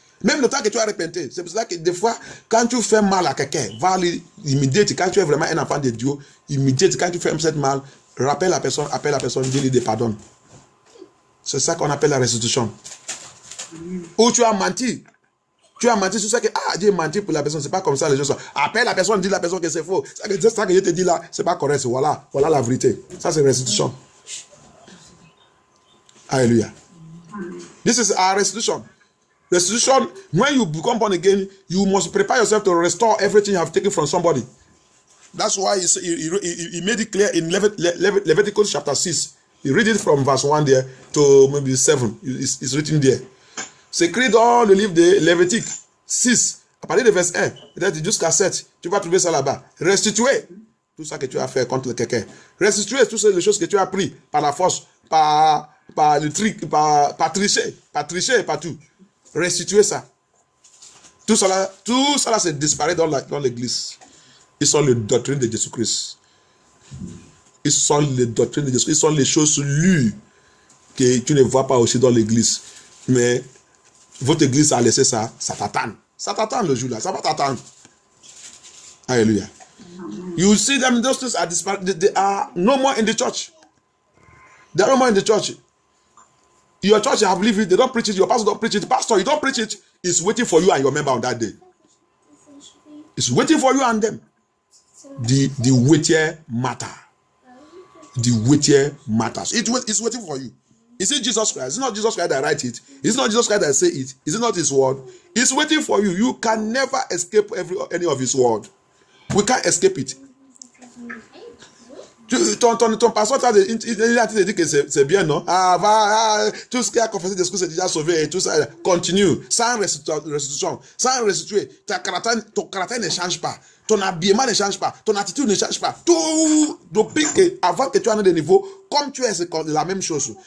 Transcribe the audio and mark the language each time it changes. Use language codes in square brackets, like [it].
[fr] Même le temps que tu as repenti. C'est pour ça que des fois, quand tu fais mal à quelqu'un, va immédiatement, quand tu es vraiment un enfant de Dieu, immédiatement, quand tu fais cette mal, rappelle la personne, appelle la personne, dis-lui des pardons. C'est ça qu'on appelle la restitution. Ou tu as menti. Tu as menti sur ça que, j'ai menti pour la personne, c'est pas comme ça les gens sont. Appelle la personne, dis la personne que c'est faux. C'est ça que je te dis là, c'est pas correct, voilà la vérité. Ça c'est restitution. Alléluia. [en] This is our restitution. Restitution, when you become born again, you must prepare yourself to restore everything you have taken from somebody. That's why he made it clear in Leviticus chapter 6. You read it from verse 1 there to maybe 7. It's written there. [fr] C'est écrit dans le livre de Lévitique 6, à partir de verset 1, peut-être jusqu'à 7, tu vas trouver ça là-bas. Restituer tout ça que tu as fait contre quelqu'un. Restituer toutes les choses que tu as pris par la force, par le truc, par tricher et partout. Restituer ça. Tout ça là, c'est disparu dans l'église. Ils sont les doctrines de Jésus-Christ. Ils sont les doctrines de Jésus-Christ. Ils sont les choses lues que tu ne vois pas aussi dans l'église. Mais votre église a laissé ça, ça t'attend. Ça t'attend le jour-là, ça va t'attendre. Alléluia. [en] You see them, those things are disparate. They are no more in the church. They are no more in the church. Your church have leave it, they don't preach it, your pastor don't preach it. Pastor, you don't preach it. It's waiting for you and your member on that day. It's waiting for you and them. The weightier matter. The weightier matters. It's waiting for you. Is it Jesus Christ? Is it not Jesus Christ that write it? Is it not Jesus Christ that say it? Is it not his word? It's waiting for you. You can never escape any of his word. We can't escape it. [fr] Ton pasteur t'a dit que c'est bien, non? Tout ce qui a confessé de ce que c'est déjà sauvé et tout ça. Continue. Sans restitution. Sans restituer. Ton caractère ne change pas. Ton habillement ne change pas. Ton attitude ne change pas. Tout depuis que, avant que tu en aies de niveau, comme tu es, c'est la même chose.